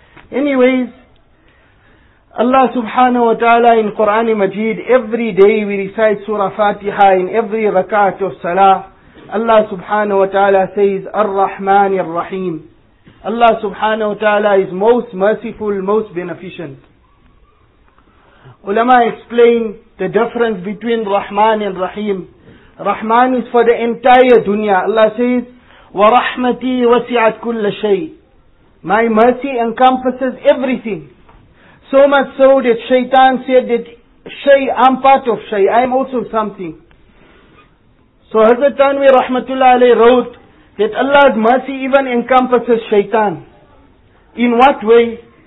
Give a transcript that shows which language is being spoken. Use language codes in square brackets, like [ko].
[en] Anyways, Allah subhanahu wa ta'ala in Qur'an Majeed, every day we recite Surah Fatiha in every rak'at of Salah. Allah subhanahu wa ta'ala says, Ar-Rahman Ar-Rahim. Allah subhanahu wa ta'ala is most merciful, most beneficent. Ulama explain the difference between Rahman and Rahim. Rahman is for the entire dunya. Allah says, [ar] وَرَحْمَتِي وَسِعَتْ كُلَّ شَيْءٍ. [en] My mercy encompasses everything. So much so that Shaitan said that I'm part of Shay, I'm also something. So Hazrat Tanwi Rahmatullah Alayhi wrote that Allah's mercy even encompasses shaitan. In what way?